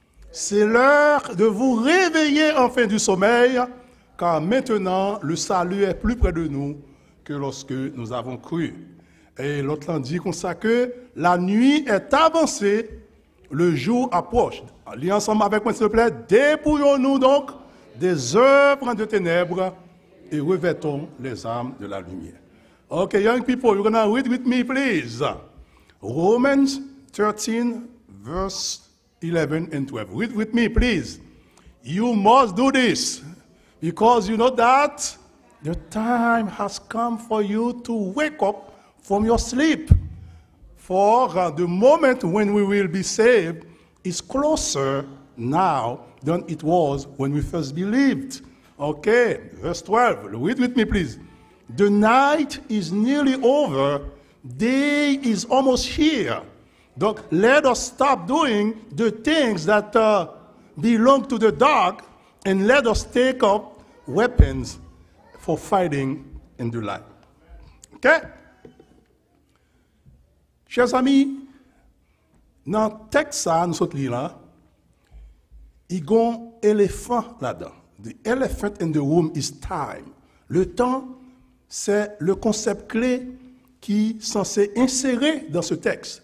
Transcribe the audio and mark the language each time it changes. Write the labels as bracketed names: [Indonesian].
[French] C'est l'heure de vous réveiller enfin du sommeil, car maintenant, le salut est plus près de nous que lorsque nous avons cru. Et l'autre l'an dit comme ça que la nuit est avancée, le jour approche. Lis ensemble avec moi, s'il te plaît. Dépouillons-nous donc des œuvres de ténèbres et revêtons les âmes de la lumière. [English] OK, young people, you're going to read with me, please. Romans 13, verse 11 and 12. Read with me, please. You must do this because you know that the time has come for you to wake up from your sleep. For the moment when we will be saved is closer now than it was when we first believed. Okay, verse 12. Read with me, please. The night is nearly over. Day is almost here. Donc, let us stop doing the things that belong to the dark and let us take up weapons for fighting in the light. Okay? [French] Chers amis, dans le texte, nous sommes là, il y a un éléphant là-dedans. [English] The elephant in the room is time. [French] Le temps, c'est le concept clé qui est censé insérer dans ce texte.